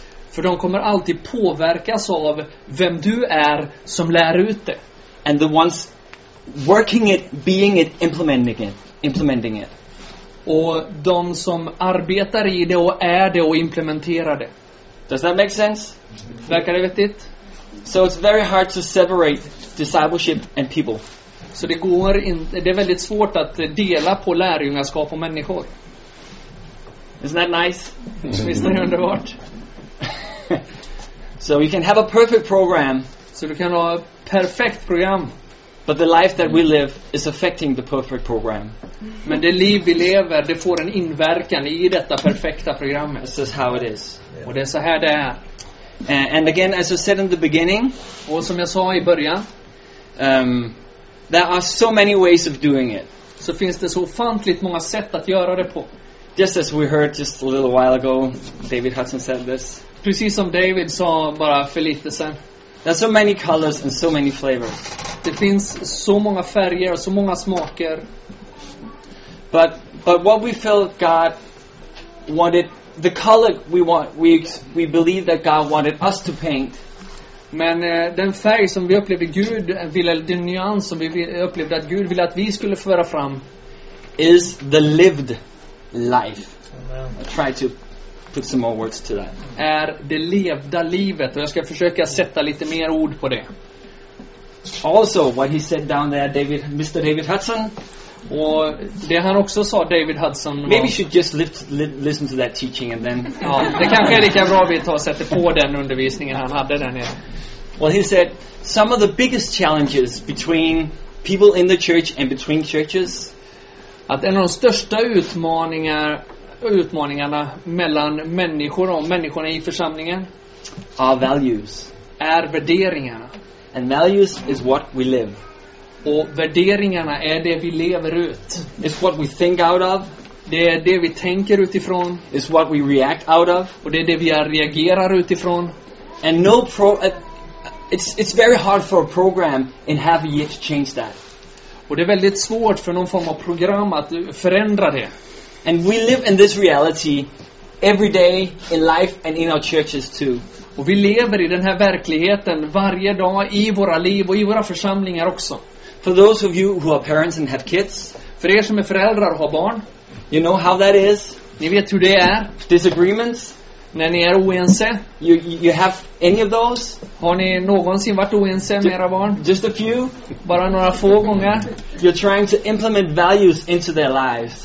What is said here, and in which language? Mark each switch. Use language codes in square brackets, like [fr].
[sv] För de kommer alltid påverkas av vem du är som lär ut det. [en] And the ones working it, being it, implementing it. [sv] Och de som arbetar i det och är det och implementerar det. [en] Does that make sense? [sv] Verkar det vettigt? [en] So it's very hard to separate discipleship and people. [sv] Så det går inte, det är väldigt svårt att dela på lärjungaskap och människor. [en] Isn't that nice? [sv] Visst är det underbart? [en] So you can have a perfect program. [sv] Så du kan ha ett perfekt program. [en] But the life that we live is affecting the perfect program. [sv] Men det liv vi lever, det får en inverkan i detta perfekta programmet. [en] This is how it is. [sv] Yeah. Och det är så här det är. [en] And again, as I said in the beginning, [sv] och som jag sa i början, [en] there are so many ways of doing it. [sv] Så finns det så ofantligt många sätt att göra det på. [en] Just as we heard just a little while ago, David Hudson said this. [sv] Precis som David sa bara för lite sen. [en] There are so many colors and so many flavors. [sv] Det finns så många färger och så många smaker. [en] But what we feel God wanted, the color we want, we believe that God wanted us to paint. [sv] Men den färg som vi upplevde Gud ville, den nyans som vi upplevde att Gud ville att vi skulle föra fram, [en] is the lived life. Amen. I'll try to put some more words to that. [sv] Är det levda livet, och jag ska försöka sätta lite mer ord på det. [en] Also what he said down there, David, Mr. David Hudson. [sv] Och det han också sa, David Hudson. [en] Maybe you should just listen to that teaching and then. [sv] Ja, det kanske är lika bra att vi tar och sätter på den undervisningen han hade där nere. [en] Well, he said some of the biggest challenges between people in the church and between churches. [sv] Att en av de största utmaningarna mellan människor och människorna i församlingen [en] are values. [sv] Är värderingarna. [en] And values is what we live. [sv] Och värderingarna är det vi lever ut. [en] It's what we think out of. [sv] Det är det vi tänker utifrån. [en] It's what we react out of. [sv] Och det är det vi reagerar utifrån. [en] And no it's very hard for a program in half a year to change that. [sv] Och det är väldigt svårt för någon form av program att förändra det. [en] And we live in this reality every day in life and in our churches too. [sv] Och vi lever i den här verkligheten varje dag i våra liv och i våra församlingar också. [en] For those of you who are parents and have kids, [sv] för er som är föräldrar och har barn, [en] you know how that is. [sv] Ni vet hur det är. [en] Disagreements. [sv] När ni är oense. [en] You have any of those? [sv] Har ni någonsin varit oense med era barn? [en] Just a few. [sv] Bara några få gånger. [en] You're trying to implement values into their lives.